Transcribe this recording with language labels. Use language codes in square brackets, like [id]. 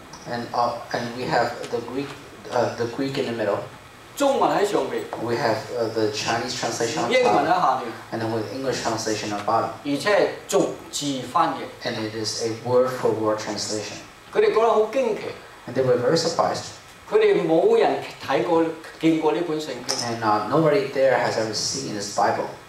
[en] And we have the Greek in the middle. [zh] 中文在上面。 [en] We have the Chinese translation on top. [zh] 英文在下面。 [en] And then with English translation on bottom. [zh] 而且逐字翻譯。 [en] And it is a word for word translation. [zh] 他們覺得很驚奇。 [en] And they were very surprised. [zh] 他們沒有人看過、見過這本聖經。 [en] And nobody there has ever seen this Bible.